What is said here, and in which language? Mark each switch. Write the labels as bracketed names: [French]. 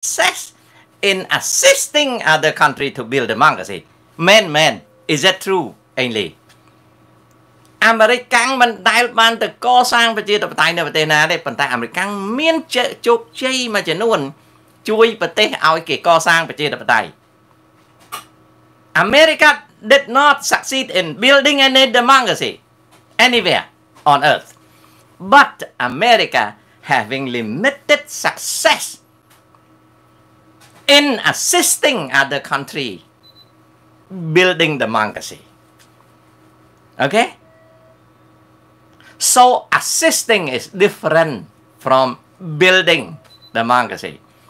[English] success in assisting other country to build democracy. Man, man, is that true, Ainley? [Khmer] American មិនដែលបានទៅកសាងប្រជាធិបតេយ្យនៅប្រទេសណាទេប៉ុន្តែ American មានជោគជ័យមួយចំនួនជួយប្រទេសឲ្យគេកសាងប្រជាធិបតេយ្យ [English] America did not succeed in building any democracy anywhere on earth. But America having limited success in assisting other country building democracy. Okay? So assisting is different from building democracy.